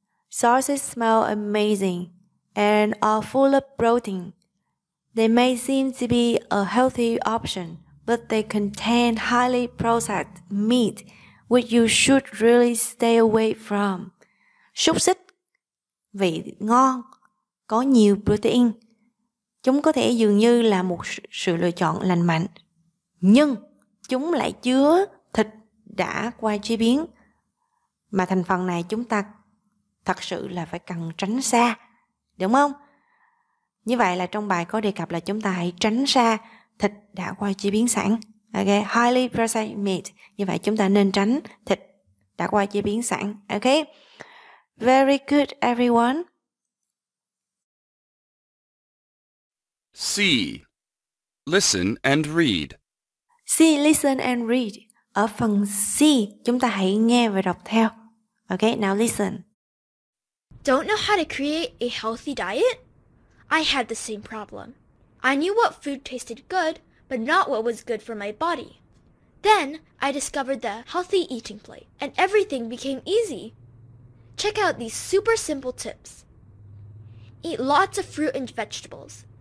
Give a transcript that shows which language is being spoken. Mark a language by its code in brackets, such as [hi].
[en] Sausages smell amazing and are full of protein. They may seem to be a healthy option, but they contain highly processed meat, which you should really stay away from. [vi] Xúc xích, vị ngon, có nhiều protein. Chúng có thể dường như là một sự lựa chọn lành mạnh, nhưng chúng lại chứa thịt đã qua chế biến. Mà thành phần này chúng ta thật sự là phải cần tránh xa, đúng không? Như vậy là trong bài có đề cập là chúng ta hãy tránh xa thịt đã qua chế biến sẵn. Ok, [en] highly processed meat. [vi] Như vậy chúng ta nên tránh thịt đã qua chế biến sẵn. [en] Ok, very good everyone. C. Listen and read. C. Listen and read. [vi] Ở phần C, chúng ta hãy nghe và đọc theo. [en] Ok, now listen. Don't know how to create a healthy diet? I had the same problem. I knew what food tasted good, but not what was good for my body. Then, I discovered the healthy eating plate, and everything became easy. Check out these super simple tips. Eat lots of fruit and vegetables.